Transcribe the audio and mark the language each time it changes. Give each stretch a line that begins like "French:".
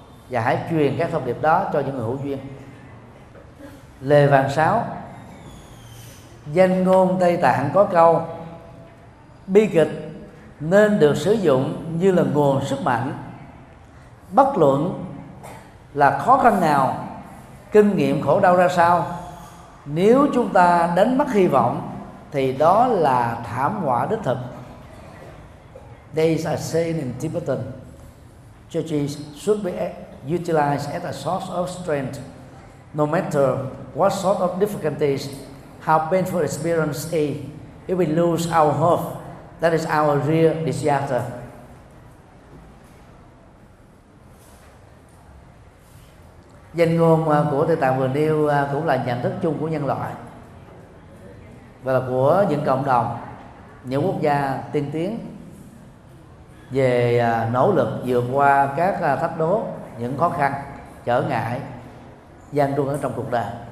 Vietnamese: Và hãy truyền các thông điệp đó cho những người hữu duyên. Lê Vàng Sáu, danh ngôn Tây Tạng có câu: bi kịch nên được sử dụng như là nguồn sức mạnh. Bất luận là khó khăn nào, kinh nghiệm khổ đau ra sao, nếu chúng ta đánh mất hy vọng thì đó là thảm họa đích thực. Đây là
English: saying in Tibetan: churches should be utilized as a source of strength, no matter what sort of difficulties, how painful experience is. If we lose our hope, that is our real disaster.
Vietnamese: Danh ngôn của Tây Tạng vừa nêu cũng là nhận thức chung của nhân loại và là của những cộng đồng, những quốc gia tiên tiến về nỗ lực vượt qua các thách đố, những khó khăn, trở ngại, gian truân ở trong cuộc đời.